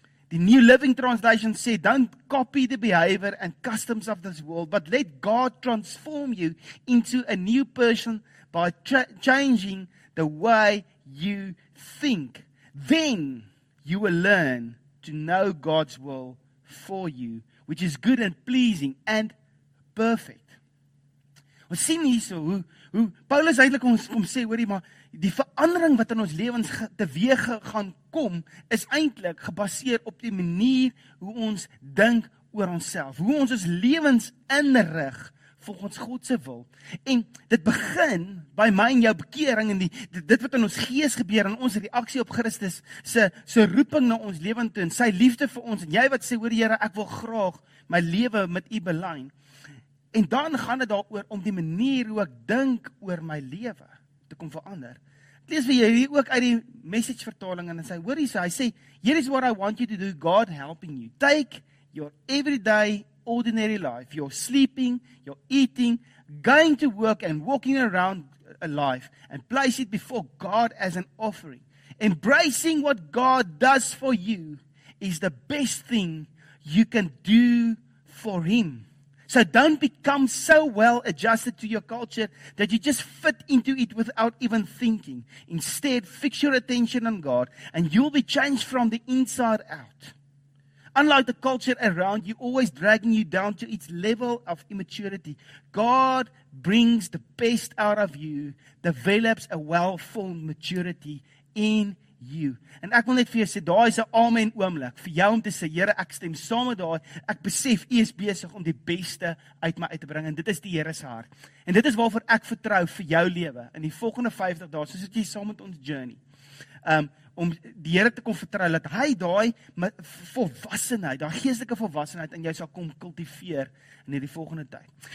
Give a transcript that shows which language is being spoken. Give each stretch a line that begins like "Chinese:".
Afrikaans: Die New Living Translation sê,
English: don't copy the behavior and customs of this world, but let God transform you into a new person by changing the way you think. Then you will learn to know God's will for you, which is good and pleasing and perfect.
Afrikaans: Ons sien hierso hoe Paulus eintlik ons kom sê, hoorie maar, die verandering wat in ons lewens teweeg gaan kom, is eintlik gebaseer op die manier hoe ons dink oor onsself, hoe ons ons lewens inrig volgens God se wil. En dit begin by my en jou bekering en dit wat in ons gees gebeur en ons reaksie op Christus se roeping na ons lewens toe en sy liefde vir ons en jy wat sê, hoor Here, ek wil graag my lewe met U belyn. En dan gaan dit daaroor om die manier hoe ek dink oor my lewe te kom verander. Ek lees vir jy hier ook uit die message vertaling en sy hoor hier, hy sê,
English: here is what I want you to do, God helping you. Take your everyday ordinary life, your sleeping, your eating, going to work and walking around a life and place it before God as an offering. Embracing what God does for you is the best thing you can do for Him. So don't become so well adjusted to your culture that you just fit into it without even thinking. Instead, fix your attention on God and you'll be changed from the inside out. Unlike the culture around you, always dragging you down to its level of immaturity, God brings the best out of you, develops a well-formed maturity in you.
Afrikaans: En ek wil net vir jou sê, daai is 'n amen oomblik vir jou om te sê, Here, ek stem saam met daai. Ek besef U is besig om die beste uit my uit te bring en dit is die Here se hart. En dit is waarvoor ek vertrou vir jou lewe in die volgende 50 dae, soos jy saam met ons journey. Om die Here te kom vertrou dat hy daai volwassenheid, daai geestelike volwassenheid in jou sal kom kultiveer in hierdie volgende tyd.